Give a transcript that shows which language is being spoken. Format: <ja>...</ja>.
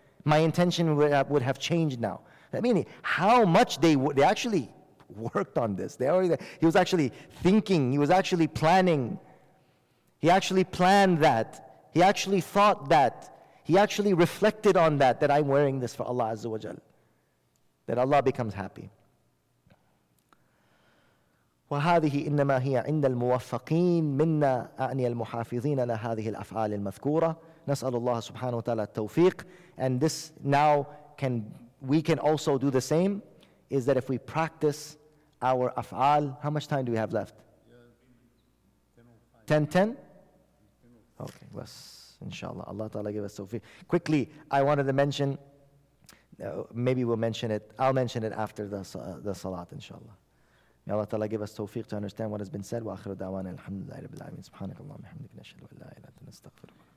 <en>My intention would have changed now. I mean, how much they actually worked on this. He was actually thinking. He was actually planning. He actually planned that. He actually thought that. He actually reflected on that I'm wearing this for Allah Azza wa Jal, that Allah becomes happy.</en> <ar>وهذه إنما هي عند الموفقين منا أعني المحافظين على هذه الأفعال المذكورة نسأل الله سبحانه وتعالى التوفيق.</ar> <en>And this now we can also do the same, is that if we practice our afal. How much time do we have left? 10:10.</en> <ar>Okay, بس إن شاء الله الله تعالى</ar> <en>give us</en> <ar>توفيق.</ar> <en>Quickly, I wanted to mention. Maybe we'll mention it. I'll mention it after the salat, inshallah. May Allah Ta'ala give us tawfiq to understand what has been said.</en> <ar>وَآخِرُ دَعْوَانَا الْحَمْدُ لِلَّهِ رَبِّ الْعَالَمِينَ. سُبْحَانَكَ اللَّهُمَّ وَبِحَمْدِكَ نَشْهَدُ أَنْ لَا إِلَهَ إِلَّا أَنْتَ نَسْتَغْفِرُكَ.</ar>